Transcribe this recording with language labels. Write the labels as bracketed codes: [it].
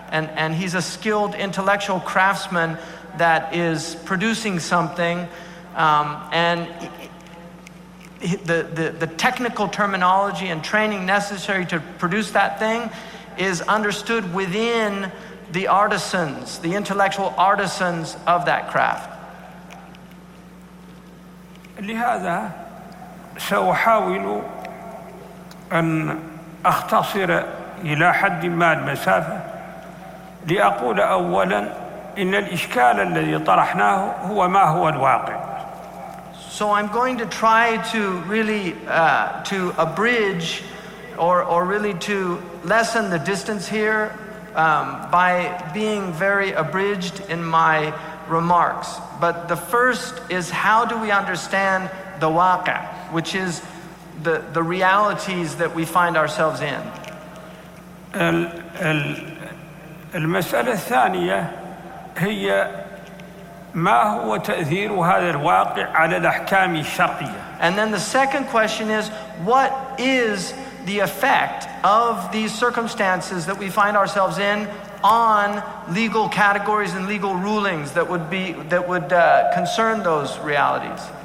[en] and he's a skilled intellectual craftsman that is producing something, and the technical terminology and training necessary to produce that thing is understood within the artisans, the intellectual artisans of that craft. [ar] لهذا سأحاول أن أختصر إلى حد ما المسافة لأقول أولا إن الإشكال الذي طرحناه هو ما هو الواقع. [en] So I'm going to try to really to abridge or really to lessen the distance here by being very abridged in my remarks. But the first is, how do we understand the waqa, which is the realities that we find ourselves in? [ar] المسألة الثانية هي ما هو تأثير هذا الواقع على الأحكام الشرعية. [en] And then the second question is, what is the effect of these circumstances that we find ourselves in on legal categories and legal rulings that would concern those realities?